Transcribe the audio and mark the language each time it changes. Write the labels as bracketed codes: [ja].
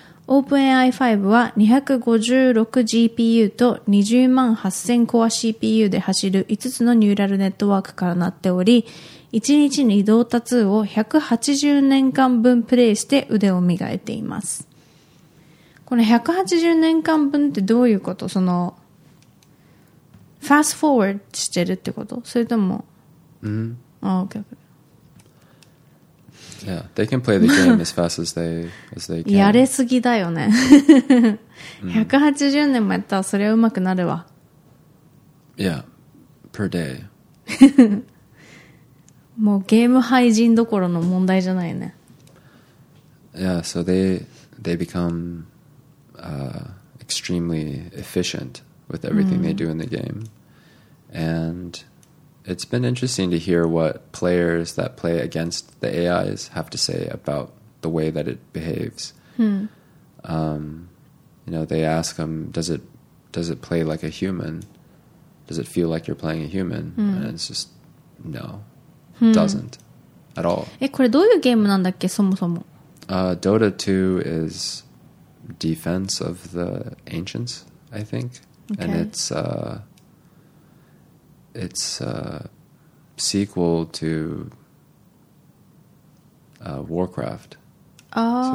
[ja] OpenAI5 は 256GPU と 208,000 コア CPU で走る5つのニューラルネットワークからなっており、1日に Dota 2を180年間分プレイして腕を磨いています。この180年間分ってどういうこと？その、ファストフォーワードしてるってこと？それとも、 [en] Yeah, they can play the game as fast as they can. [ja] やれすぎだよね。 180年もやったらそれはうまくなるわ。 [en] Yeah, per day. [ja] もうゲーム廃人どころの問題じゃないね。 [en] Yeah, so they become extremely efficient with everything they do in the game. And... It's been interesting to hear what players that play against the AIs have to say about the way that it behaves. You know, they ask them, does it play like a human? Does it feel like you're playing a human? And it's just, no. Doesn't. At all. [ja] これどういうゲームなんだっけ、そもそも。 [en] Dota 2 is Defense of the Ancients, I think. Okay. And it's a sequel to Warcraft. Oh.